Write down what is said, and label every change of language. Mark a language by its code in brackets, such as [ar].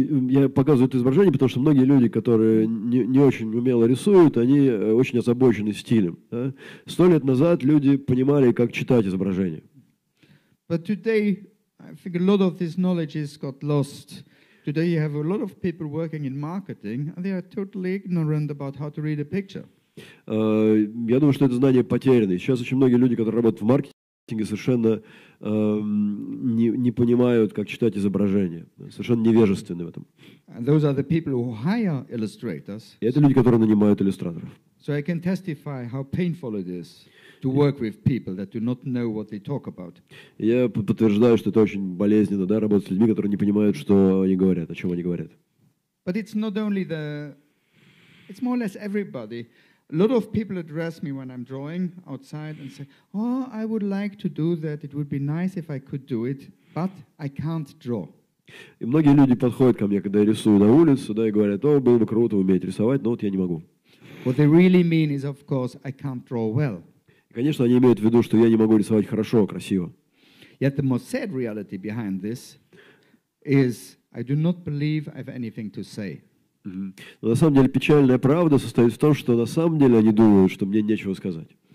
[ru] Я показываю это изображение, потому что многие люди, которые не очень умело рисуют, они очень озабочены стилем. Да? 100 лет назад люди понимали, как читать изображение. [en] But today, I think a lot of this knowledge has got lost. Today you have a lot of people working in marketing, and they are totally ignorant about how to read a picture. [ru] Я думаю, что это знание потеряно. Сейчас очень многие люди, которые работают в маркетинге, совершенно не понимают, как читать изображение. Совершенно невежественны в этом. [en] And those are the people who hire illustrators. [ru] И это люди, которые нанимают иллюстраторов. [en] So I can testify how painful it is to work with people that do not know what they talk about. [ru] Я подтверждаю, что это очень болезненно, да, работать с людьми, которые не понимают, что они говорят, о чем они говорят. [en] But it's not only the... It's more or less everybody... A lot of people address me when I'm drawing outside and say, "Oh, I would like to do that. It would be nice if I could do it, but I can't draw." [ru] И многие люди подходят ко мне, когда я рисую на улице, да, и говорят, "О, было бы круто уметь рисовать, но вот я не могу." [en] What they really mean is, of course, I can't draw well. [ru] И, конечно, они имеют в виду, что я не могу рисовать хорошо, красиво. [en] Yet the most sad reality behind this is I do not believe I have anything to say. [ru] Но на самом деле печальная правда состоит в том, что на самом деле они думают, что мне нечего сказать.